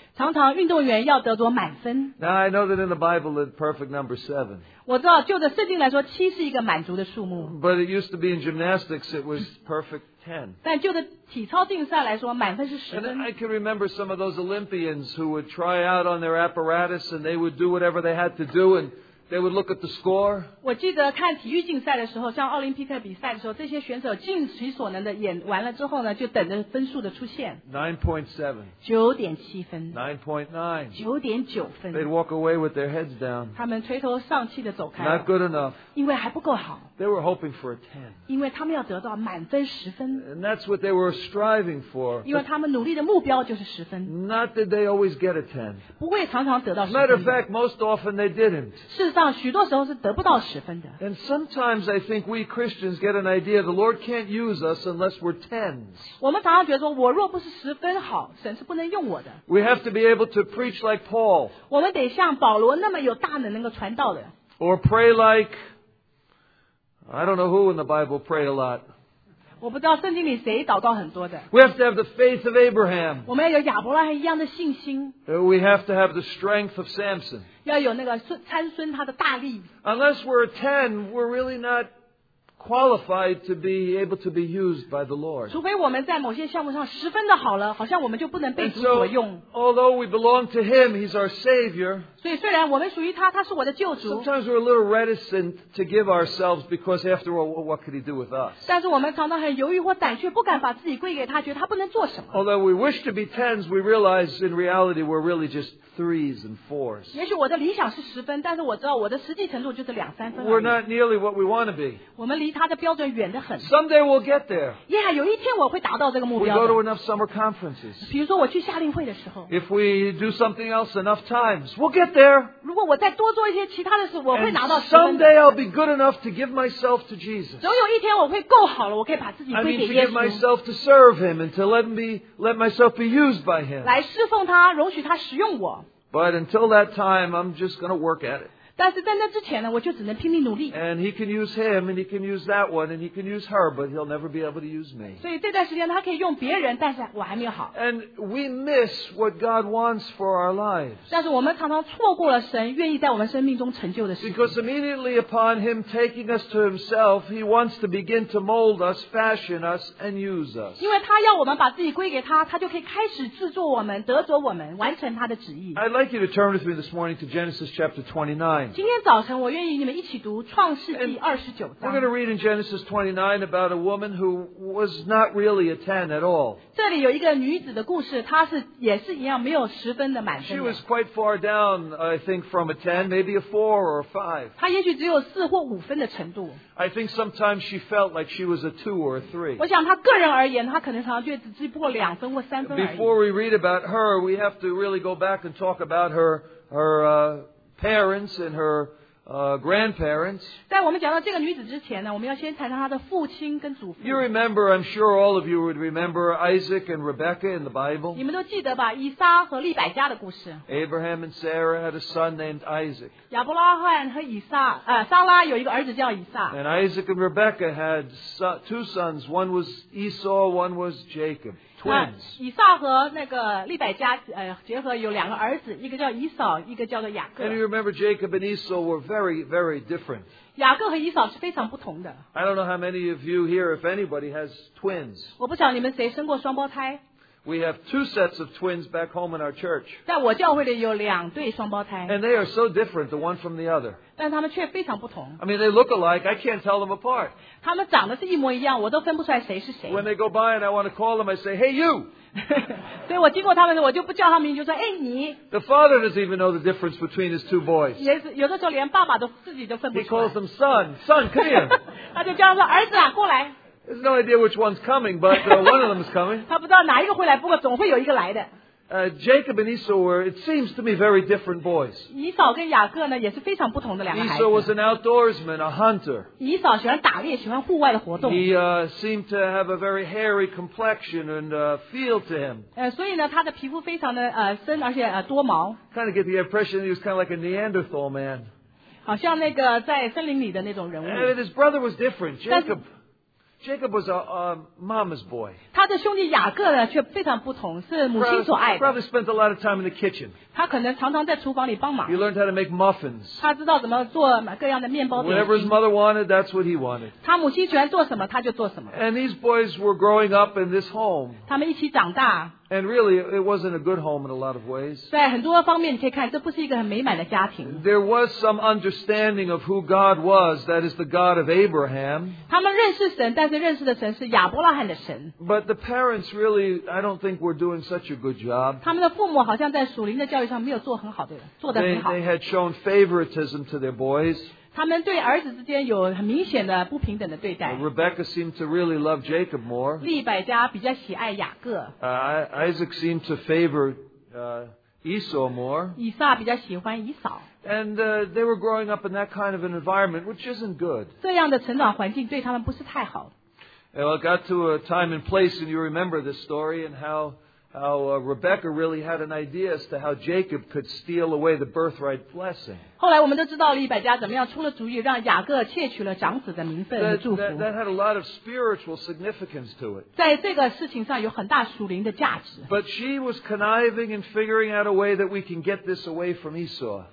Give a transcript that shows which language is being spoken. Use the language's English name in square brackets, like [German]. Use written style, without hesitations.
[Chinese] 常常运动员要得多满分。 [English] Now I know that in the Bible, the perfect number is seven. [Chinese] 我知道，就着圣经来说，七是一个满。 [English] But it used to be in gymnastics, it was perfect 10. [Chinese] 但就的体操竞赛来说，满分是十分。 [English] And I can remember some of those Olympians who would try out on their apparatus, and they would do whatever they had to do, and they would look at the score. [Chinese] 我记得看体育竞赛的时候，像奥林匹克比赛的时候，这些选手尽其所能的演完了之后呢，就等着分数的出现。 [English] 9.7. [Chinese] 9.7分。 [English] 9.9. [Chinese] 9.9分。 [English] They'd walk away with their heads down. [Chinese] 他们垂头丧气的走开。 [English] Not good enough. [Chinese] 因为还不够好。 [English] They were hoping for a 10. [Chinese] 因为他们要得到满分十分。 [English] And that's what they were striving for. [Chinese] 因为他们努力的目标就是十分。 [English] Not that they always get a 10. [Chinese] 不会常常得到十分。 [English] Matter of fact, most often they didn't. [Chinese] 是。上许多时候是得不到十分的。 [English] And sometimes I think we Christians get an idea the Lord can't use us unless we're tens. [Chinese] 我们常常觉得说，我若不是十分好，神是不能用我的。 [English] We have to be able to preach like Paul. [Chinese] 我们得像保罗那么有大能，能够传道的。 [English] Or pray like I don't know who in the Bible pray a lot. [Chinese] 我不知道圣经里谁祷告很多的。 [English] We have to have the faith of Abraham. [Chinese] 我们要有亚伯拉罕一样的信心。 [English] We have to have the strength of Samson. [Chinese] 要有那个参孙他的大力。 [English] Unless we're a 10, we're really not qualified to be able to be used by the Lord. [Chinese] 除非我们在某些项目上十分的好了，好像我们就不能被主所用。 [English] Although we belong to Him, He's our Savior. [Chinese] 所以虽然我们属于他，他是我的救主。 [English] Sometimes we're a little reticent to give ourselves because, after all, what could He do with us? [Chinese] 但是我们常常很犹豫或胆怯，不敢把自己归给他，觉得他不能做什么。 [English] Although we wish to be tens, we realize in reality we're really just threes and fours. [Chinese] 也许我的理想是十分，但是我知道我的实际程度就是两三分。 [English] We're not nearly what we want to be. [Chinese] 我们离他的标准远得很。 [English] Someday we'll get there. [Chinese] Yeah, 有一天我会达到这个目标。 [English] We go to enough summer conferences. [Chinese] 比如说我去夏令会的时候。 [English] If we do something else enough times, we'll get there. [Chinese] 如果我再多做一些其他的事，我会拿到十分。 [English] And someday I'll be good enough to give myself to Jesus. [Chinese] 总有一天我会够好了，我可以把自己归给耶稣。 [English] I mean to give myself to serve Him and to let myself be used by Him. [Chinese] 来侍奉他，容许他使用我。 [English] But until that time, I'm just going to work at it. [Chinese] 但是在那之前呢，我就只能拼命努力。 [English] And he can use him, and he can use that one, and he can use her, but he'll never be able to use me. [Chinese] 所以这段时间他可以用别人，但是我还没有好。 [English] And we miss what God wants for our lives. [Chinese] 但是我们常常错过了神愿意在我们生命中成就的事。 [English] Because immediately upon him taking us to himself, he wants to begin to mold us, fashion us, and use us. [Chinese] 因为他要我们把自己归给他，他就可以开始制作我们，得着我们，完成他的旨意。 [English] I'd like you to turn with me this morning to Genesis chapter 29. [Chinese] 今天早晨我愿意你们一起读创世纪二十九章。 [English] We're going to read in Genesis 29 about a woman who was not really a 10 at all. [Chinese] 这里有一个女子的故事，她是也是一样没有十分的满分。 [English] She was quite far down, I think, from a 10, maybe a 4 or a 5. [Chinese] 她也许只有四或五分的程度。 [English] I think sometimes she felt like she was a 2 or a 3. [Chinese] 我想她个人而言，她可能常常觉得只只不过两分或三分而已。 [English] Before we read about her, we have to really go back and talk about her parents and her grandparents. [Chinese] 在我们讲到这个女子之前呢，我们要先谈谈她的父亲跟祖父。 [English] You remember, I'm sure all of you would remember Isaac and Rebecca in the Bible. [Chinese] 你们都记得吧，以撒和利百加的故事。 [English] Abraham and Sarah had a son named Isaac. [Chinese] 亚伯拉罕和以撒，撒拉有一个儿子叫以撒。 [English] And Isaac and Rebecca had two sons. One was Esau, one was Jacob. [Chinese] 以撒和那个利百加结合有两个儿子，一个叫以扫，一个叫做雅各。 [English] And you remember Jacob and Esau were very, very different. [Chinese] 雅各和以扫是非常不同的。 [English] I don't know how many of you here, if anybody, has twins. [Chinese] 我不晓得你们谁生过双胞胎。 [English] We have two sets of twins back home in our church. [Chinese] 在我教会里有两对双胞胎。 [English] And they are so different, the one from the other. [Chinese] 但他们却非常不同。 [English] I mean, they look alike. I can't tell them apart. [Chinese] 他们长得是一模一样，我都分不出来谁是谁。 [English] When they go by and I want to call them, I say, "Hey, you." [Chinese] 所以我经过他们，我就不叫他们名，就说，哎，你。 [English] The father doesn't even know the difference between his two boys. [Chinese] 也是有的时候连爸爸都自己都分不出来。 [English] He calls them son, son, come here. [Chinese] 他就叫他说儿子啊，过来。 [English] There's no idea which one's coming, but one of them is coming. [Chinese] 他不知道哪一个会来，不过总会有一个来的。 [English] Jacob and Esau were, it seems to me, very different boys. [Chinese] 以扫跟雅各呢也是非常不同的两个孩子。 [English] Esau was an outdoorsman, a hunter. [Chinese] 以扫喜欢打猎，喜欢户外的活动。 [English] He seemed to have a very hairy complexion and feel to him. [Chinese] 所以呢，他的皮肤非常的深，而且多毛。 [English] Kind of get the impression he was kind of like a Neanderthal man. [Chinese] 好像那个在森林里的那种人物。 [English] And his brother was different, Jacob. Jacob was a mama's boy. [Chinese] 他的兄弟雅各呢却非常不同，是母亲所爱的。 [English] Probably spent a lot of time in the kitchen. [Chinese] 他可能常常在厨房里帮忙。 [English] He learned how to make muffins. [Chinese] 他知道怎么做各样的面包饼。 [English] Whatever his mother wanted, that's what he wanted. [Chinese] 他母亲喜欢做什么，他就做什么。 [English] And these boys were growing up in this home. [Chinese] 他们一起长大。 [English] And really, it wasn't a good home in a lot of ways. [Chinese] 在很多方面你可以看，这不是一个很美满的家庭。 [English] There was some understanding of who God was, that is the God of Abraham. [Chinese] 他们认识神，但是认识的神是亚伯拉罕的神。 [English] But the parents really, I don't think were doing such a good job. [Chinese] 他们的父母好像在属灵的教育上没有做很好的，做得很好。 [English] They had shown favoritism to their boys. [Chinese] 他们对儿子之间有很明显的不平等的对待。 [English] Rebecca seemed to really love Jacob more. [Chinese] 利百加比较喜爱雅各。 [English] Isaac seemed to favor Esau more. [Chinese] 以撒比较喜欢以扫。 [English] And they were growing up in that kind of an environment, which isn't good. [Chinese] 这样的成长环境对他们不是太好。 [English] Well, it got to a time and place, and you remember this story and how Rebecca really had an idea as to how Jacob could steal away the birthright blessing. [Chinese] 后来我们都知道利百加怎么样出了主意，让雅各窃取了长子的名分和祝福。 [English] That had a lot of spiritual significance to it. [Chinese] 在这个事情上有很大属灵的价值。 [English] But she was conniving and figuring out a way that we can get this away from Esau.